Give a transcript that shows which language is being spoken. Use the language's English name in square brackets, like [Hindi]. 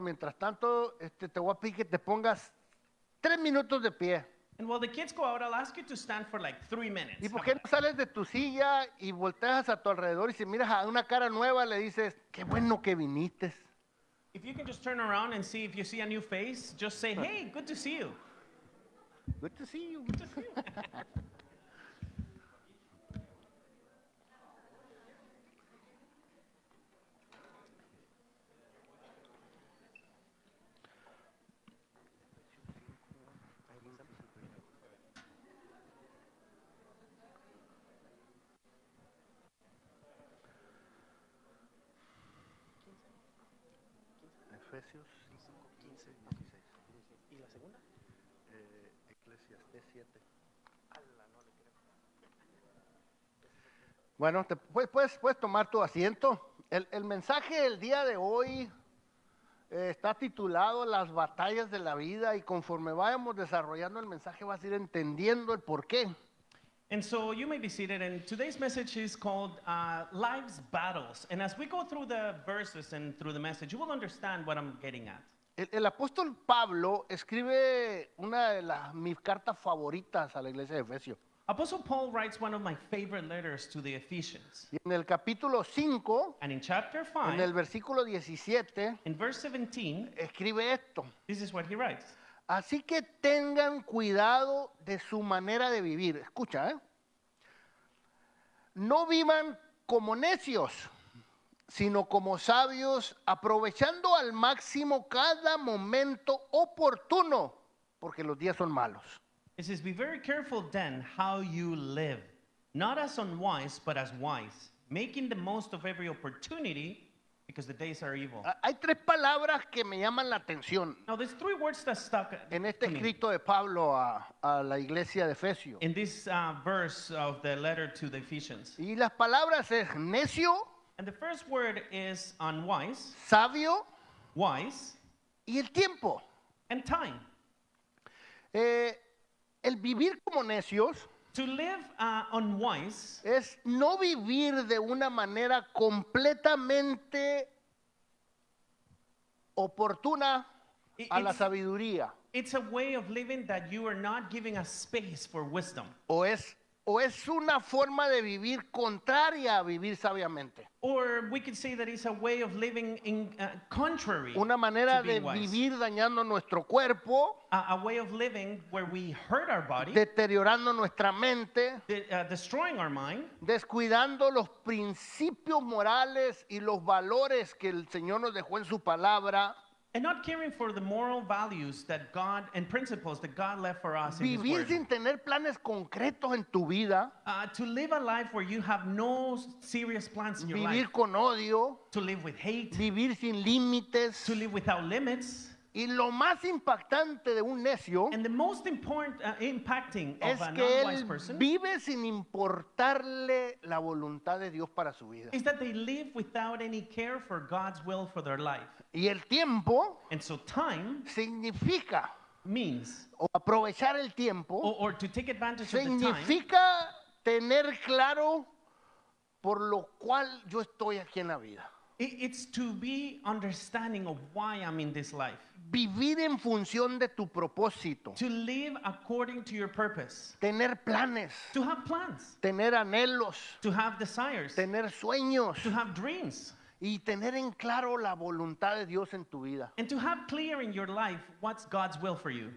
[Spanish] Mientras tanto, te voy a pedir que te pongas 3 minutos de pie. [English] And while the kids go out, I'll ask you to stand for like 3 minutes. [Spanish] ¿Y por qué no sales de tu silla y volteas a tu alrededor y si miras a una cara nueva, le dices, qué bueno que viniste? [English] If you can just turn around and see if you see a new face, just say, hey, good to see you. Good to see you. Good to see you. [Spanish] Efesios 5:15 y la segunda Eclesiastés 7. Bueno, puedes tomar tu asiento. El mensaje del día de hoy está titulado Las batallas de la vida, y conforme vayamos desarrollando el mensaje vas a ir entendiendo el porqué. [English] And so you may be seated, and today's message is called Life's Battles. And as we go through the verses and through the message, you will understand what I'm getting at. [Spanish] El apóstol Pablo escribe una de mis cartas favoritas a la iglesia de Efesios. [English] Apostle Paul writes one of my favorite letters to the Ephesians. [Spanish] Y en el capítulo 5, [English] and in chapter 5, [Spanish] en el versículo 17, [English] in verse 17, [Spanish] escribe esto. [English] This is what he writes. [Spanish] Así que tengan cuidado de su manera de vivir. Escucha, No vivan como necios, sino como sabios, aprovechando al máximo cada momento oportuno, porque los días son malos. [English] It says, be very careful then how you live, not as unwise, but as wise, making the most of every opportunity, because the days are evil. [Spanish] Hay tres palabras que me llaman la atención. [English] Now there's three words that stuck [Spanish] en este escrito de Pablo a la iglesia de Efesios. [English] In this verse of the letter to the Ephesians. [Spanish] Y las palabras es necio. [English] And the first word is unwise. [Spanish] Sabio. [English] Wise. [Spanish] Y el tiempo. [English] And time. [Spanish] El vivir como necios. [English] To live unwise [Spanish] es no vivir de una manera completamente oportuna a la sabiduría. [English] It's a way of living that you are not giving a space for wisdom. [Spanish] O es O es una forma de vivir contraria a vivir sabiamente. [English] Or we could say that it's a way of living in contrary. [Spanish] Una manera de vivir dañando nuestro cuerpo. [English] A way of living where we hurt our body. [Spanish] Deteriorando nuestra mente. [English] Destroying our mind. [Spanish] Descuidando los principios morales y los valores que el Señor nos dejó en su palabra. [English] And not caring for the moral values that God and principles that God left for us. [Spanish] Vivir [English] in His [Spanish] sin tener planes concretos en tu vida. [English] To live a life where you have no serious plans in your [Spanish] vivir [English] life. [Spanish] Con odio. [English] To live with hate. [Spanish] Vivir sin límites. [English] To live without limits. [Spanish] Y lo más impactante de un necio. [English] And the most important impacting [Spanish] es [English] of [Spanish] que [English] a non-wise person. [Spanish] Vive sin importarle la voluntad de Dios para su vida. [English] Is that they live without any care for God's will for their life. [Spanish] Y el tiempo, [English] and so time [Spanish] significa [English] means, [Spanish] o aprovechar el tiempo, [English] or to take advantage [Spanish] significa [English] of the time, [Spanish] tener claro por lo cual yo estoy aquí en la vida. [English] It's to be understanding of why I'm in this life. [Spanish] Vivir en función de tu propósito. [English] To live according to your purpose. [Spanish] Tener planes. [English] To have plans. [Spanish] Tener anhelos. [English] To have desires. [Spanish] Tener sueños. [English] To have dreams. [Spanish] Y tener en claro la voluntad de Dios en tu vida. [English] And to have clear in your life what's God's will for you.